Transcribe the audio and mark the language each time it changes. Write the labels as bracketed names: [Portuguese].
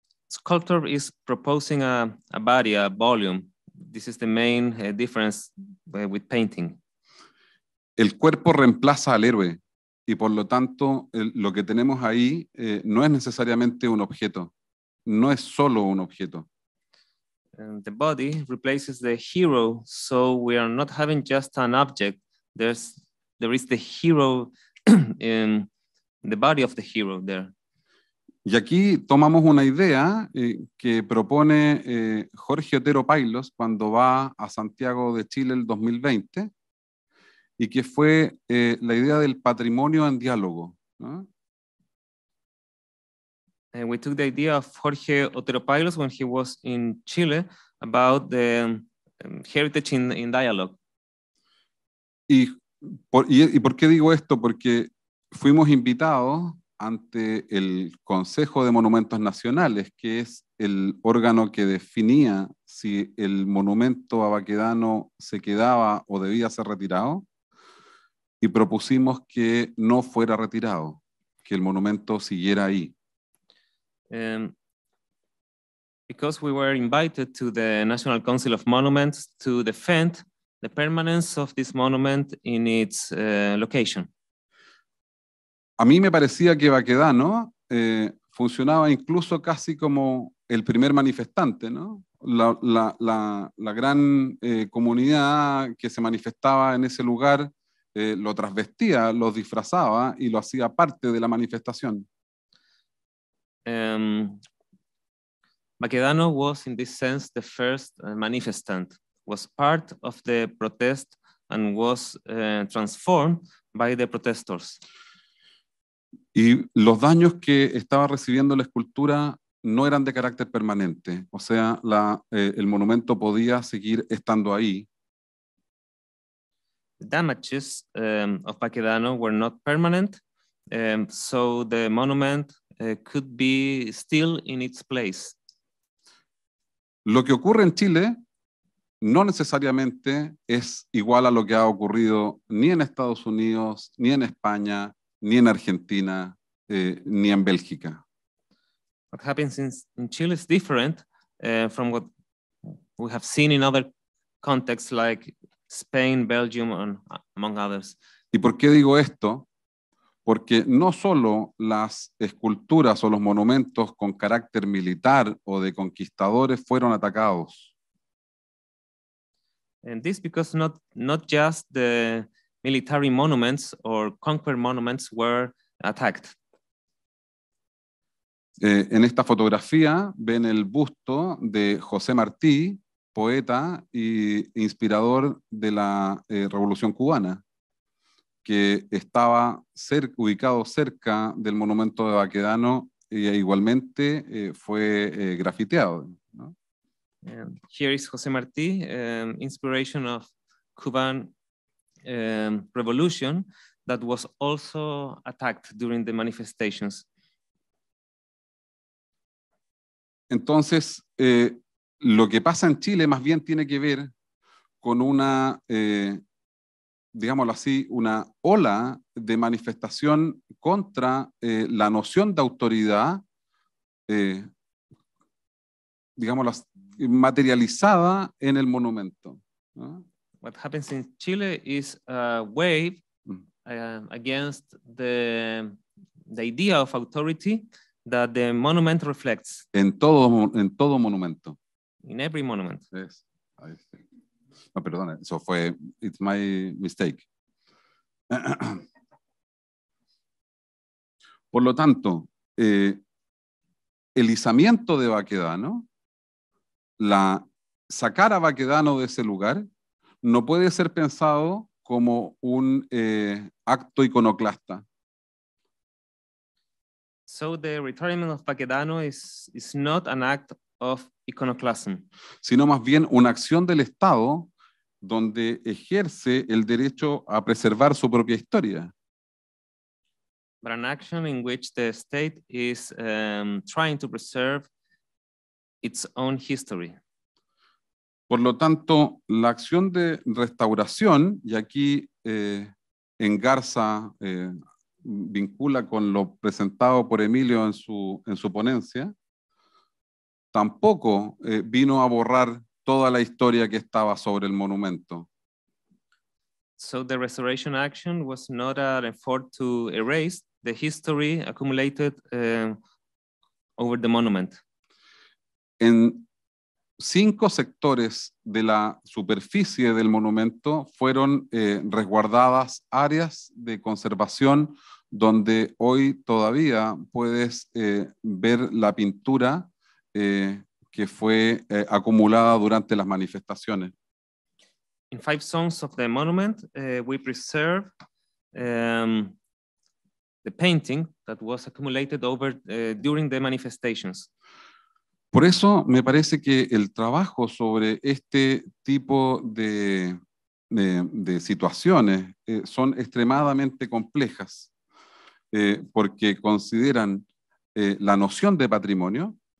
[English] Sculpture is proposing a body, a volume. This is the main difference with painting. [Spanish] El cuerpo reemplaza al héroe, y por lo tanto, lo que tenemos ahí no es necesariamente un objeto. No es solo un objeto. [English] The body replaces the hero, so we are not having just an object. There is the hero in the body of the hero there. [Spanish] Y aquí tomamos una idea que propone Jorge Otero Pailos cuando va a Santiago de Chile el 2020, y que fue la idea del patrimonio en diálogo, ¿no? [English] We took the idea of Jorge Otero Pailos when he was in Chile about the heritage in dialogue. [Spanish] ¿Y por qué digo esto? Porque fuimos invitados ante el Consejo de Monumentos Nacionales, que es el órgano que definía si el monumento a Baquedano se quedaba o debía ser retirado, y propusimos que no fuera retirado, que el monumento siguiera ahí. [English] Because we were invited to the National Council of Monuments to defend the permanence of this monument in its location. [Spanish] A mí me parecía que Baquedano funcionaba incluso casi como el primer manifestante, ¿no? La gran comunidad que se manifestaba en ese lugar lo trasvestía, lo disfrazaba y lo hacía parte de la manifestación. [English] Baquedano was in this sense the first manifestant, was part of the protest and was transformed by the protesters. [Spanish] Y los daños que estaba recibiendo la escultura no eran de carácter permanente, o sea, el monumento podía seguir estando ahí. [English] The damages of Baquedano were not permanent, so the monument could be still in its place. [Spanish] Lo que ocurre en Chile no necesariamente es igual a lo que ha ocurrido ni en Estados Unidos, ni en España, ni en Argentina, ni en Bélgica. [English] What happens in Chile is different from what we have seen in other contexts like Spain, Belgium, and among others. [Spanish] ¿Y por qué digo esto? Porque no solo las esculturas o los monumentos con carácter militar o de conquistadores fueron atacados. [English] And this because not just the military monuments or conquered monuments were attacked. [Spanish] En esta fotografía ven el busto de José Martí, poeta y inspirador de la Revolución Cubana, que estaba ubicado cerca del monumento de Baquedano y igualmente fue grafiteado. ¿No? [English] Here is José Martí, inspiration of Cuban revolution that was also attacked during the manifestations. [Spanish] Entonces, lo que pasa en Chile más bien tiene que ver con una, digámoslo así, una ola de manifestación contra la noción de autoridad, digámoslo así, materializada en el monumento. ¿No? [English] What happens in Chile is a wave against the idea of authority that the monument reflects. [Spanish] En todo monumento. [English] In every monument. Yes. [Spanish] No, perdón, eso fue, [English] it's my mistake. [Spanish] Por lo tanto, el izamiento de Baquedano, la sacar a Baquedano de ese lugar, no puede ser pensado como un acto iconoclasta. [English] So the retirement of Baquedano is not an act of iconoclasm. [Spanish] Sino más bien una acción del Estado donde ejerce el derecho a preservar su propia historia. [English] But an action in which the state is trying to preserve its own history. [Spanish] Por lo tanto, la acción de restauración, y aquí engarza, vincula con lo presentado por Emilio en su ponencia, tampoco vino a borrar toda la historia que estaba sobre el monumento. [English] So the restoration action was not an effort to erase the history accumulated over the monument. [Spanish] En 5 sectores de la superficie del monumento fueron resguardadas áreas de conservación donde hoy todavía puedes ver la pintura que fue acumulada durante las manifestaciones. [English] In 5 zones of the monument, we preserve the painting that was accumulated over during the manifestations. [Spanish] Por eso me parece que el trabajo sobre este tipo de situaciones son extremadamente complejas, porque consideran la noción de patrimonio,